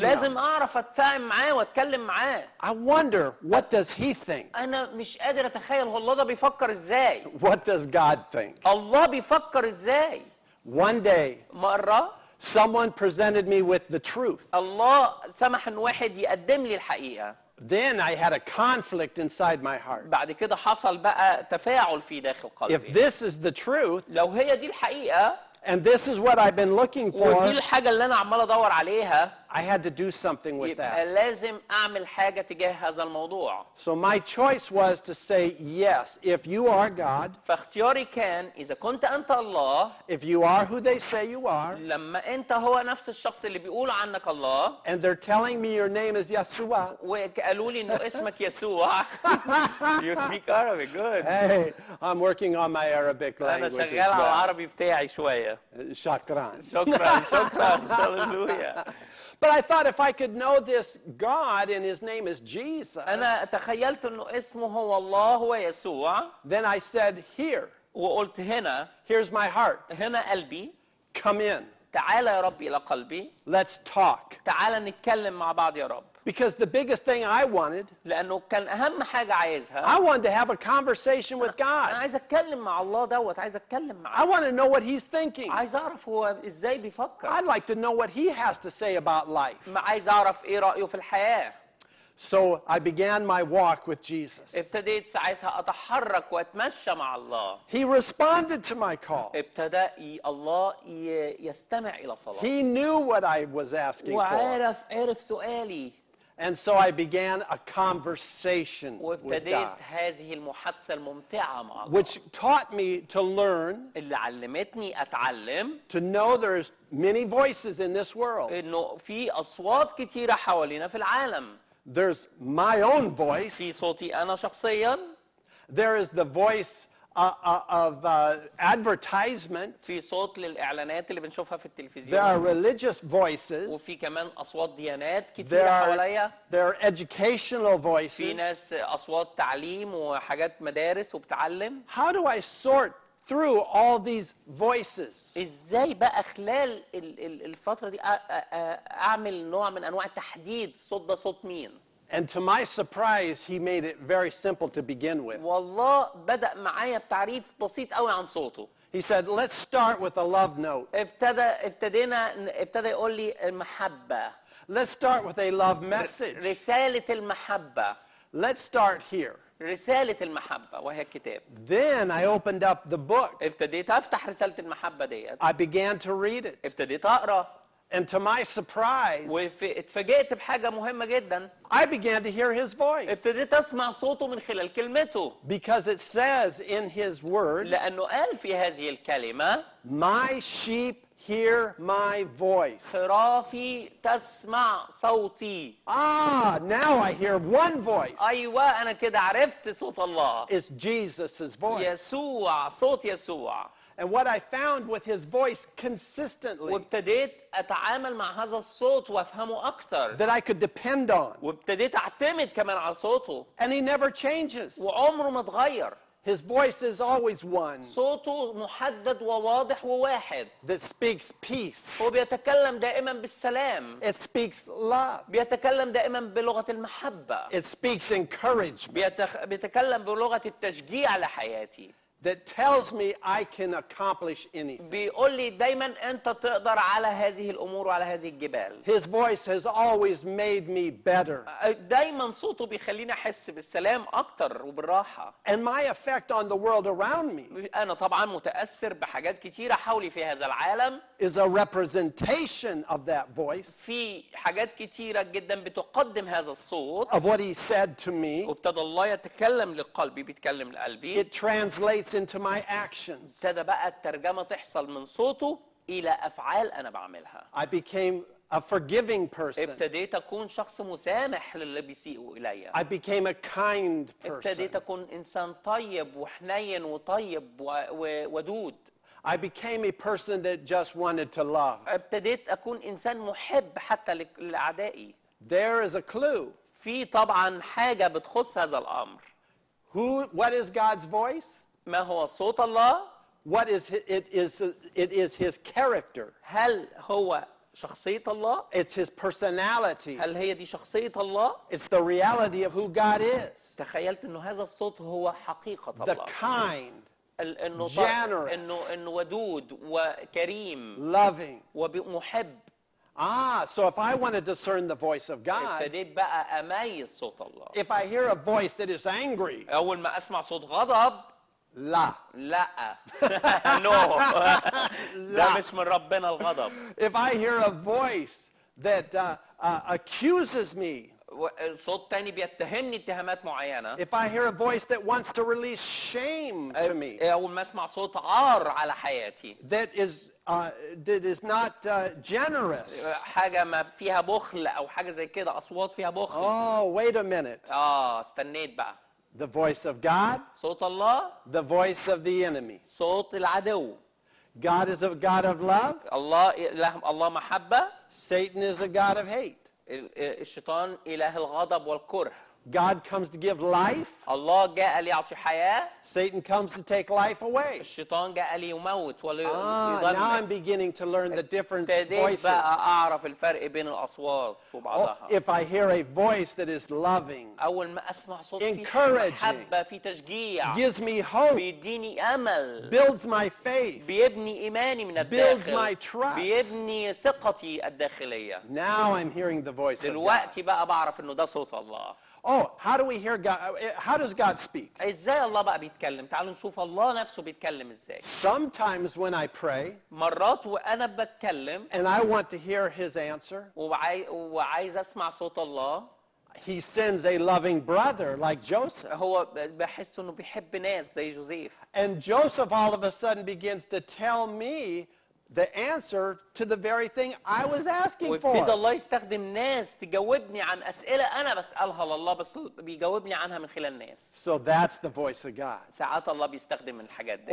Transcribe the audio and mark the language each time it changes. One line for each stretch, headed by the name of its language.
Arabic: لازم أعرف أتفاهم معاه وأتكلم معاه.
English: I wonder what does he think.
Arabic: أنا مش قادر أتخيل هو الله ده بيفكر إزاي.
English: What does God think?
Arabic: الله بيفكر ازاي؟
English: One day,
Arabic: مرة,
English: someone presented me with the truth.
Arabic: الله سمح ان واحد يقدم لي الحقيقة.
English: Then I had a conflict inside my heart.
Arabic: بعد كده حصل بقى تفاعل في داخل قلبي.
English: If this is the truth,
Arabic: لو هي دي الحقيقة,
English: and this is what I've been looking for,
Arabic: ودي الحاجة اللي أنا عمال أدور عليها,
English: I had to do something with that.
Arabic: لازم أعمل حاجة تجاه هذا الموضوع.
English: So my choice was to say yes, if you are God.
Arabic: فاختياري كان إذا كنت أنت الله.
English: If you are who they say you are.
Arabic: لما أنت هو نفس الشخص اللي بيقول عنك الله.
English: And they're telling me your name is يسوع.
Arabic: وقالوا لي إنه اسمك يسوع.
English: You speak Arabic, good. Hey, I'm working on my Arabic language.
Arabic: أنا شغال على العربي بتاعي شوية. شكراً. شكراً. شكراً. Hallelujah.
English: But I thought if I could know this God and his name is Jesus.
Arabic: أنا تخيلت إنه اسمه هو الله هو يسوع.
English: Then I said here.
Arabic: وقلت هنا.
English: Here's my heart.
Arabic: هنا قلبي.
English: Come in.
Arabic: تعال يا رب إلى قلبي.
English: Let's talk.
Arabic: تعال نتكلم مع بعض يا رب.
English: Because the biggest thing I wanted.
Arabic: لأنه كان أهم حاجة عايزها.
English: I wanted to have a conversation with God.
Arabic: أنا عايز أتكلم مع الله دوت. عايز أتكلم معه.
English: I want to know what He's thinking.
Arabic: عايز أعرف هو إزاي بيفكر.
English: I'd like to know what He has to say about life.
Arabic: ما عايز أعرف إيه رأيه في الحياة.
English: So I began my walk with Jesus.
Arabic: ابتديت ساعتها أتحرك وأتمشى مع الله.
English: He responded to my call.
Arabic: ابتدى الله يستمع إلى صلاتي.
English: He knew what I was asking
Arabic: وعرف عرف سؤالي.
English: And so I began a conversation with God, which taught me to learn,
Arabic: اللي علمتني أتعلم,
English: to know there is many voices in this world.
Arabic: إنه في أصوات كتيرة حوالينا في العالم.
English: There's my own voice.
Arabic: في صوتي أنا شخصياً.
English: There is the voice of advertisement.
Arabic: في صوت للإعلانات اللي بنشوفها في التلفزيون.
English: There are religious voices.
Arabic: وفي كمان أصوات ديانات كتير حواليا.
English: There are educational voices.
Arabic: في ناس أصوات تعليم وحاجات مدارس وبتعلم.
English: How do I sort through all these voices?
Arabic: إزاي بقى خلال الفترة دي أعمل نوع من أنواع تحديد صوت ده صوت مين؟
English: And to my surprise, he made it very simple to begin with.
Arabic: والله بدأ معايا بتعريف بسيط قوي عن صوته.
English: He said, "Let's start with a love note."
Arabic: ابتدى يقول لي المحبة.
English: Let's start with a love message.
Arabic: رسالة المحبة.
English: Let's start here.
Arabic: رسالة المحبة وهي الكتاب.
English: Then I opened up the book.
Arabic: ابتديت أفتح رسالة المحبة ديت.
English: I began to read it.
Arabic: ابتديت أقرأ.
English: And to my surprise,
Arabic: واتفاجئت بحاجة مهمة جدا.
English: I began to hear his voice.
Arabic: ابتديت أسمع صوته من خلال كلمته.
English: Because it says in his word,
Arabic: لأنه قال في هذه الكلمة,
English: my sheep hear my voice.
Arabic: خرافي تسمع صوتي.
English: Ah, now I hear one voice.
Arabic: أيوة أنا كده عرفت صوت الله.
English: It's Jesus's voice.
Arabic: يسوع صوت يسوع.
English: And what I found with his voice consistently.
Arabic: وابتديت أتعامل مع هذا الصوت وأفهمه أكثر.
English: That I could depend on.
Arabic: وابتديت أعتمد كمان على صوته.
English: And he never changes.
Arabic: وعمره ما تغير.
English: His voice is always one.
Arabic: صوته محدد وواضح وواحد.
English: That speaks peace.
Arabic: هو بيتكلم دائما بالسلام.
English: It speaks love.
Arabic: بيتكلم دائما بلغة المحبة.
English: It speaks encouragement.
Arabic: بيتكلم بلغة التشجيع لحياتي.
English: That tells me I can accomplish anything.
Arabic: بيقول لي دايما أنت تقدر على هذه الأمور وعلى هذه الجبال.
English: His voice has always made me better.
Arabic: دايما صوته بيخليني أحس بالسلام أكتر وبالراحة.
English: And my effect on the world around me.
Arabic: أنا طبعا متأثر بحاجات كتيرة حولي في هذا العالم.
English: Is a representation of that voice.
Arabic: في حاجات كتيرة جدا بتقدم هذا الصوت.
English: Of what he said to me.
Arabic: وابتدى الله يتكلم لقلبي بيتكلم لقلبي.
English: It translates into my actions.
Arabic: ابتدى بقى الترجمة تحصل من صوته إلى أفعال أنا بعملها.
English: I became a forgiving person.
Arabic: ابتديت أكون شخص مسامح للي بيسيئوا إليا.
English: I became a kind person.
Arabic: ابتديت أكون إنسان طيب وحنين وطيب وودود.
English: I became a person that just wanted to love.
Arabic: ابتديت أكون إنسان محب حتى لأعدائي.
English: There is a clue.
Arabic: في طبعا حاجة بتخص هذا الأمر.
English: Who? What is God's voice?
Arabic: ما هو صوت الله؟
English: What is it is his character.
Arabic: هل هو شخصية الله؟
English: It's his personality.
Arabic: هل هي دي شخصية الله؟
English: It's the reality of who God is.
Arabic: تخيلت إنه هذا الصوت هو حقيقة الله.
English: The kind. Generous.
Arabic: إنه ودود وكريم.
English: Loving.
Arabic: ومحب.
English: Ah, so if I want to discern the voice of God,
Arabic: ابتديت بقى أميز صوت الله.
English: If I hear a voice that is angry,
Arabic: أول ما أسمع صوت غضب. لا لا نو ده مش من ربنا الغضب.
English: If I hear a voice that accuses me.
Arabic: صوت تاني بيتهمني اتهامات معينة.
English: If I hear a voice that wants to release shame to me.
Arabic: أول ما اسمع صوت عار على حياتي.
English: That is not generous.
Arabic: حاجة ما فيها بخل أو حاجة زي كده أصوات فيها بخل.
English: Oh, wait a minute.
Arabic: استنيت بقى.
English: The voice of God.
Arabic: صوت الله.
English: The voice of the enemy.
Arabic: صوت العدو.
English: God is a God of love.
Arabic: الله محبة.
English: Satan is a God of hate.
Arabic: الشيطان إله الغضب والكره.
English: God comes to give life.
Arabic: الله جاء ليعطي حياة.
English: Satan comes to take life away.
Arabic: الشيطان جاء ليموت وليضل.
English: Now I'm beginning to learn the different voices.
Arabic: بدأت بقى أعرف الفرق بين الأصوات وبعضها.
English: If I hear a voice that is loving.
Arabic: أول ما أسمع صوت
English: encouraging.
Arabic: حبة في تشجيع.
English: Gives me hope.
Arabic: بيديني أمل.
English: Builds my faith.
Arabic: بيبني إيماني من الداخل.
English: Builds my trust.
Arabic: بيبني ثقتي الداخلية.
English: Now I'm hearing the voice of God.
Arabic: دلوقتي بقى بعرف إنه ده صوت الله.
English: Oh, how do we hear God? How does God speak?
Arabic: إزاي الله بقى بيتكلم؟ تعالوا نشوف الله نفسه بيتكلم إزاي.
English: Sometimes when I pray,
Arabic: مرات وأنا بتكلم,
English: and I want to hear His answer,
Arabic: وعايز أسمع صوت الله,
English: He sends a loving brother like Joseph.
Arabic: هو بحس إنه بيحب ناس زي يوسف.
English: And Joseph all of a sudden begins to tell me the answer to the very thing I was asking for.
Arabic: وابتدى الله يستخدم ناس تجاوبني عن أسئلة أنا بسألها لله بس بيجاوبني عنها من خلال ناس.
English: So that's the voice of God.
Arabic: ساعات الله بيستخدم الحاجات دي.